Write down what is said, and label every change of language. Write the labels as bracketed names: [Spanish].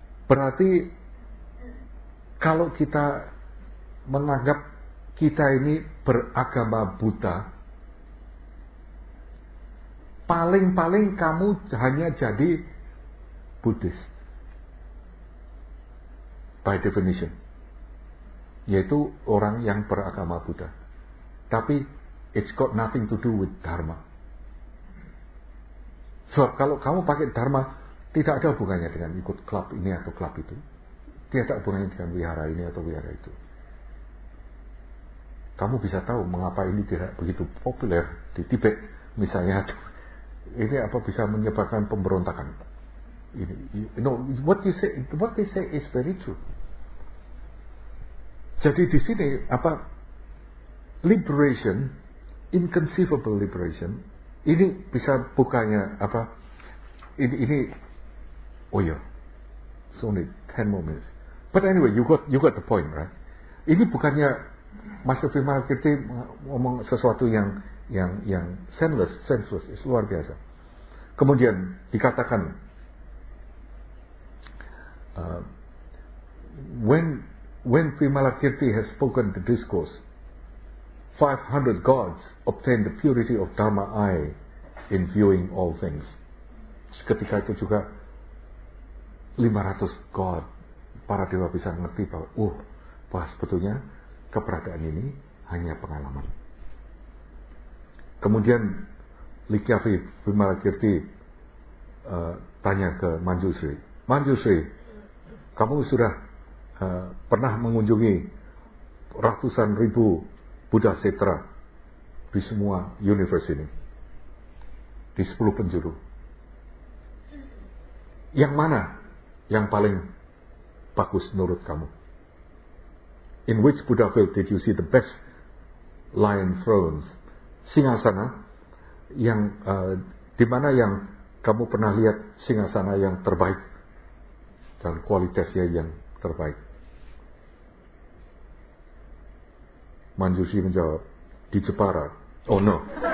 [Indonesian] Berarti kalau kita menganggap kita ini beragama Buddha, paling-paling kamu hanya jadi Buddhist [English] by definition, [Indonesian] yaitu orang yang beragama Buddha. [English] Tapi it's got nothing to do with Dharma. [Indonesian] Sebab kalau kamu pakai Dharma, tidak ada hubungannya dengan ikut klub ini atau klub itu. Tidak ada hubungannya dengan wihara ini atau wihara itu. Kamu bisa tahu mengapa ini tidak begitu populer di Tibet misalnya. Ini apa bisa menyebabkan pemberontakan? [English] Ini, no, what they say is very true. [Indonesian] Jadi di sini apa liberation, [English] inconceivable liberation, [Indonesian] ini bisa bukanya apa? [English] Ini, oh yeah, it's only 10 more minutes. But anyway, you got the point, right? [Indonesian] Ini bukannya Master Vimalakirti ngomong sesuatu yang [English] senseless, it's [Indonesian] luar biasa. Kemudian dikatakan [English] when Vimalakirti has spoken the discourse, 500 gods obtain the purity of Dharma eye in viewing all things. [Indonesian] Ketika itu juga 500 god, para dewa bisa mengerti bahwa bahwa sebetulnya keberadaan ini hanya pengalaman. Kemudian Likyavi Vimalakirti tanya ke Manjusri, Manjusri, kamu sudah pernah mengunjungi ratusan ribu Buddha Setra di semua universe ini, di 10 penjuru. Yang mana yang paling bagus menurut kamu? [English] In which Buddha field did you see the best lion thrones? [Indonesian] Singasana yang di mana yang kamu pernah lihat singasana yang terbaik dan kualitasnya yang terbaik? Manjusri menjawab, di Jepara. Oh no.